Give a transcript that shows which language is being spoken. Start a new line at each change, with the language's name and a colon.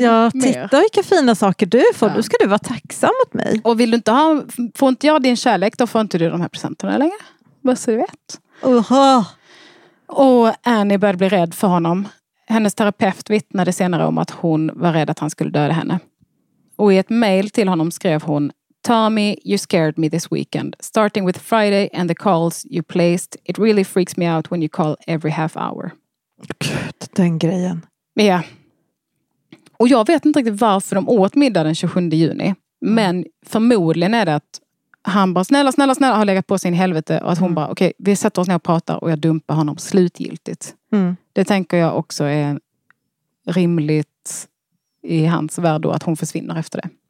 Swedish: Ja, titta vilka fina saker du får. Ja. Nu ska du vara tacksam mot mig. Och vill du inte ha, får inte jag din kärlek, då får inte du de här presenterna längre. Vad så du vet. Oha. Och Annie började bli rädd för honom. Hennes terapeut vittnade senare om att hon var rädd att han skulle döda henne. Och i ett mejl till honom skrev hon:
English: Tommy, you scared me this weekend. Starting with Friday and the calls you placed. It really freaks me out when you call every half hour.
Swedish: Gud, den grejen. Ja. Och jag vet inte riktigt varför de åt middag den 27 juni. Men förmodligen är det att han bara, snälla, snälla, snälla, har legat på sin helvete. Och att hon bara, okej, okay, vi sätter oss ner och pratar och jag dumpar honom slutgiltigt. Mm. Det tänker jag också är rimligt i hans värld då, att hon försvinner efter det.